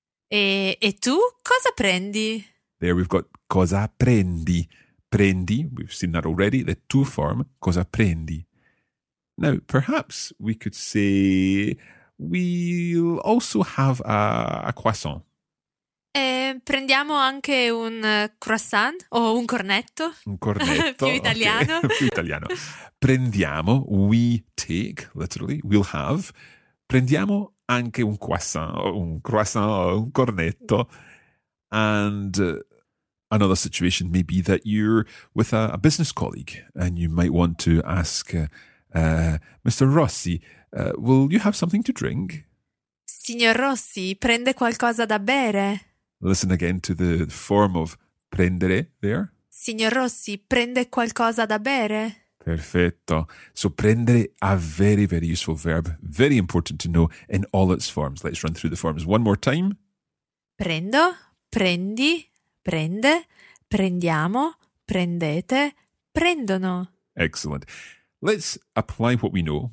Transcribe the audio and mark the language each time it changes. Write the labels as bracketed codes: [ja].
[it] E tu cosa prendi? [en] There we've got [it] cosa prendi. [en] Prendi, we've seen that already, the tu form, cosa prendi. Now, perhaps we could say, we'll also have a croissant. [it] Prendiamo anche un croissant o un cornetto. Un cornetto. Più italiano. [en] Okay, [it] più italiano. [en] Prendiamo, we take, literally, we'll have. [it] Prendiamo anche un croissant o un cornetto. [en] And another situation may be that you're with a business colleague and you might want to ask, Mr. Rossi, will you have something to drink? [it] Signor Rossi, prende qualcosa da bere? [en] Listen again to the form of prendere there. [it] Signor Rossi, prende qualcosa da bere? [en] Perfetto. So prendere, a very, very useful verb. Very important to know in all its forms. Let's run through the forms one more time. [it] Prendo, prendi, prende, prendiamo, prendete, prendono. [en] Excellent. Let's apply what we know.